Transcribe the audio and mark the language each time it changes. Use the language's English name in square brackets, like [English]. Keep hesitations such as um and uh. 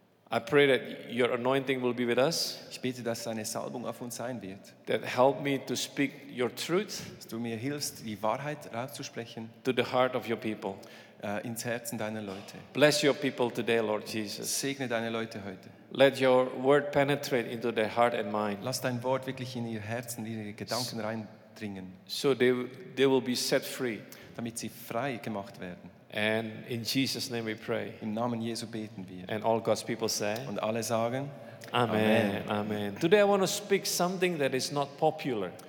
[English] I pray that your anointing will be with us. [German] Ich bete, dass seine Salbung auf uns sein wird. [English] That help me to speak your truth. [German] Dass du mir hilfst, die Wahrheit rauszusprechen. [English] To the heart of your people. [German] ins Herzen deiner Leute. [English] Bless your people today, Lord Jesus. [German] Segne deine Leute heute. [English] Let your word penetrate into their heart and mind. [German] Lass dein Wort wirklich in ihr Herzen, in ihre Gedanken reindringen. [English] So they, they will be set free. [German] Damit sie frei gemacht werden. [English] And in Jesus name we pray. [German] In Namen Jesu beten wir. [English] And all God's people say, [German] Und alle sagen. [English] Amen. Amen.